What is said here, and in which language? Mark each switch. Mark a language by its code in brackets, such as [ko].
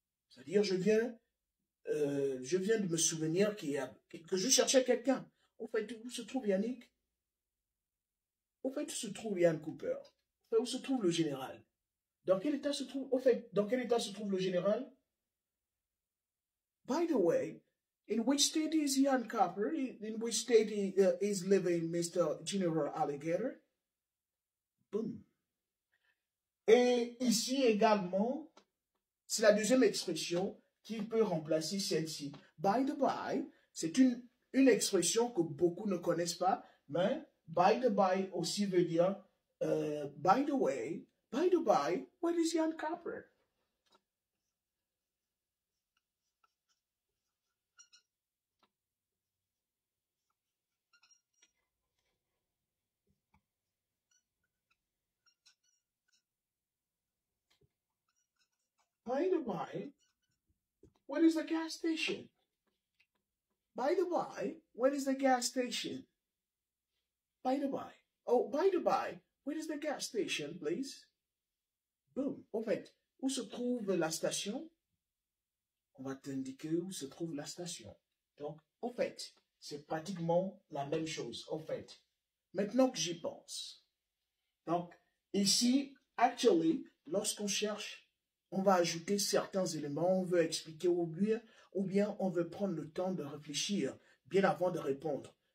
[fr] C'est-à-dire, je viens de me souvenir que je cherchais quelqu'un. Au fait, où se trouve Yannick? Au fait, où se trouve Yann Cooper? Où se trouve le général? Dans quel état se trouve, au fait, dans quel état se trouve le général? [en] By the way, in which state is Yann Cooper? In which state is living Mr. General Alligator? Boom. [fr] Et ici également, c'est la deuxième expression qui peut remplacer celle-ci. [en] By the by, [fr] c'est une expression que beaucoup ne connaissent pas, mais by the by aussi veut dire [en] by the by, where is Ian Cooper? By the way, where is the gas station? By the way, where is the gas station? By the by. Oh, by the by, where is the gas station, please? [fr] Boom. En fait, où se trouve la station? On va t'indiquer où se trouve la station. Donc, en fait, c'est pratiquement la même chose. En fait, maintenant que j'y pense. Donc, ici, actually, lorsqu'on cherche. On va ajouter certains éléments, on veut expliquer ou bien on veut prendre le temps de réfléchir bien avant de répondre.